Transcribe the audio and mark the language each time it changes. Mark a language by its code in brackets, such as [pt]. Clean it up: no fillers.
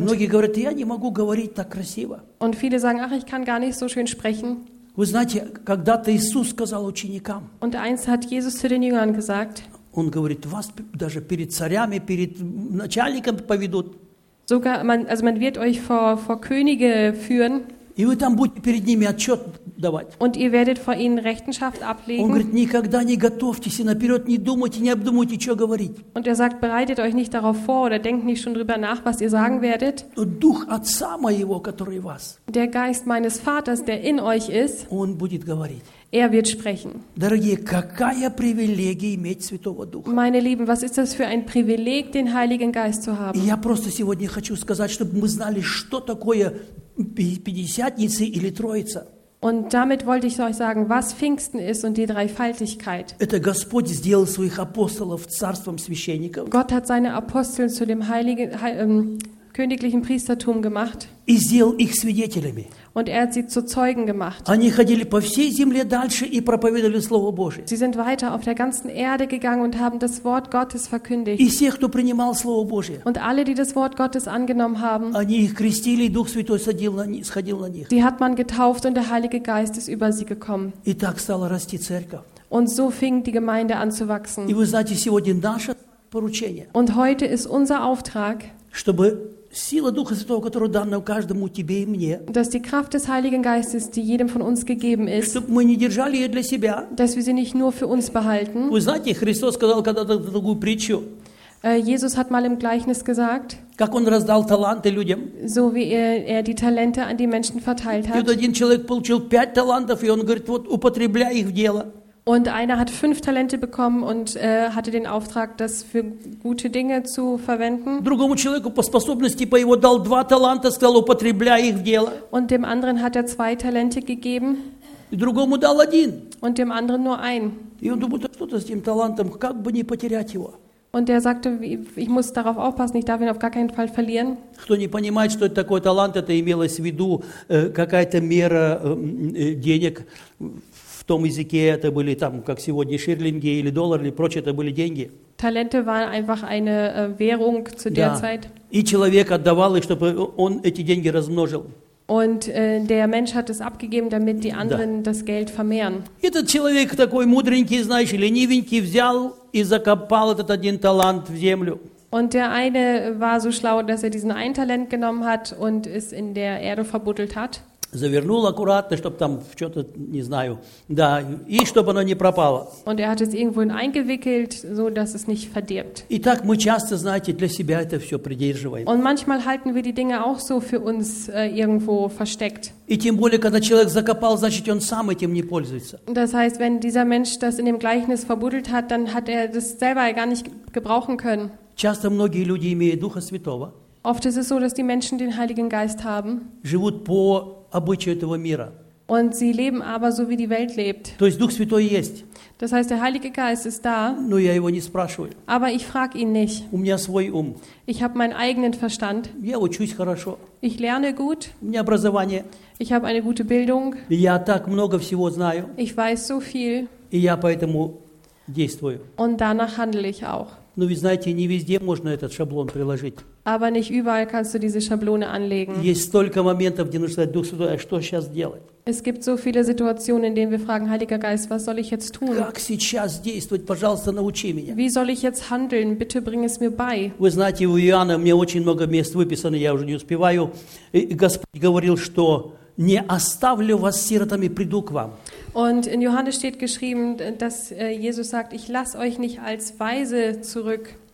[ru] Многие говорят, я не могу говорить так красиво. [de] Und viele sagen, ach, ich kann gar nicht so schön sprechen. [ru] Вы знаете, когда-то Иисус сказал ученикам. [de] Und eins hat Jesus zu den Jüngern gesagt. [ru] Он говорит, вас даже перед царями, перед начальником поведут. [de] Sogar man, also man wird euch vor Könige führen. [ru] И вы там будете перед ними отчет давать. [de] Und ihr werdet vor ihnen Rechenschaft ablegen. [ru] Он говорит, никогда не готовьтесь и наперед не думайте, не обдумывайте, что говорить. [de] Und er sagt, bereitet euch nicht darauf vor oder denkt nicht schon drüber nach, was ihr sagen werdet. [ru] Дух Отца моего, который вас. [de] Der Geist meines Vaters, der in euch ist. [ru] Он будет говорить. [de] Er wird sprechen. [ru] Дорогие, какая привилегия иметь Святого Духа. [de] Meine Lieben, was ist das für ein Privileg, den Heiligen Geist zu haben? [ru] Я просто сегодня хочу сказать, чтобы мы знали, что такое Пятидесятница или Троица. [de] Und damit wollte ich euch sagen, was Pfingsten ist und die Dreifaltigkeit. [ru] Это Господь сделал своих апостолов царством священников. [de] Gott hat seine Aposteln zu dem heiligen königlichen Priestertum gemacht. [ru] И сделал их свидетелями. [de] Und er hat sie zu Zeugen gemacht. [ru] Они ходили по всей земле дальше и проповедовали Слово Божие. [de] Sie sind weiter auf der ganzen Erde gegangen und haben das Wort Gottes verkündigt. [ru] И все, кто принимал Слово Божие. [de] Und alle, die das Wort Gottes angenommen haben. [ru] Они их крестили, и Дух Святой сходил на них. [de] Die hat man getauft und der Heilige Geist ist über sie gekommen. [ru] И так стала расти церковь. [de] Und so fing die Gemeinde an zu wachsen. [ru] И вы знаете, сегодня наше поручение. [de] Und heute ist unser Auftrag, [ru] чтобы сила Духа Святого, которая дана каждому тебе и мне. [de] Dass die Kraft des Heiligen Geistes, die jedem von uns gegeben ist. [ru] Чтобы мы не держали ее для себя. [de] Dass wir sie nicht nur für uns behalten. [ru] Вы знаете, Христос сказал когда-то другую притчу. [de] Jesus hat mal im Gleichnis gesagt. [ru] Как он раздал таланты людям. [de] So wie er die Talente an die Menschen verteilt hat. [ru] И вот один человек получил 5 талантов, и он говорит, вот употребляй их в дело. [de] Und einer hat 5 Talente bekommen und hatte den Auftrag, das für gute Dinge zu verwenden. [ru] Другому человеку по способности по его дал 2 таланта, сказал, употребляй их в дело. [de] Und dem anderen hat er 2 Talente gegeben. [ru] И другому дал 1. [de] Und dem anderen nur 1. [ru] И он думал, что-то с этим талантом, как бы не потерять его. [de] Und er sagte, ich muss darauf aufpassen, ich darf ihn auf gar keinen Fall verlieren. [ru] Кто не понимает, что это такой талант, это имелось в виду какая-то мера денег. В том языке это были там, как сегодня, шиллинги или доллары или прочее, это были деньги. [de] Talente waren einfach eine Währung zu der Zeit. [ru] И человек отдавал их, чтобы он эти деньги размножил. [de] Und der Mensch hat es abgegeben, damit die anderen das Geld vermehren. [ru] Этот человек такой мудренький, знаешь, ленивенький, взял и закопал этот один талант в землю. [de] Und der eine war so schlau, dass er diesen ein Talent genommen hat und es in der Erde verbuddelt hat. [ru] Завернул аккуратно, чтобы там что-то, не знаю, да, и чтобы оно не пропало. [de] Und er hat es irgendwo eingewickelt, so dass es nicht verdirbt. [ru] И так мы часто, знаете, для себя это все придерживаем. [de] Und manchmal halten wir die Dinge auch so für uns irgendwo versteckt. [ru] И тем более, когда человек закопал, значит, он сам этим не пользуется. [de] Das heißt, wenn dieser Mensch das in dem Gleichnis verbuddelt hat, dann hat er das selber gar nicht gebrauchen können. [ru] Часто многие люди, имея Духа Святого, [de] oft ist es so, dass die Menschen den Heiligen Geist haben, [ru] живут по обычаю этого мира. [de] Und sie leben aber so, wie die Welt lebt. [ru] То есть Дух Святой есть. [de] Das heißt, der Heilige Geist ist da. [ru] Но я его не спрашиваю. [de] Aber ich frag ihn nicht. [ru] У меня свой ум. [de] Ich habe meinen eigenen Verstand. [ru] Я учусь хорошо. [de] Ich lerne gut. [ru] У меня образование. [de] Ich habe eine gute Bildung. [ru] Я так много всего знаю. [de] Ich weiß so viel. [ru] И я поэтому действую. [de] Und danach handle ich auch. [ru] Но вы знаете, не везде можно этот шаблон приложить. [de] Aber nicht überall kannst du diese Schablone anlegen. [ru] Есть столько моментов, где нужно сказать, Дух Святой, а что сейчас делать? [de] Es gibt so viele Situationen, in denen wir fragen, Heiliger Geist, was soll ich jetzt tun? [ru] Как сейчас действовать? Пожалуйста, научи меня. [de] Wie soll ich jetzt handeln? Bitte bring es mir bei. [ru] Вы знаете, у Иоанна у меня очень много мест выписано, я уже не успеваю. И Господь говорил, что не оставлю вас сиротами, приду к вам. [de] Und in Johannes steht geschrieben, dass Jesus sagt, ich lasse euch nicht als Weise zurück.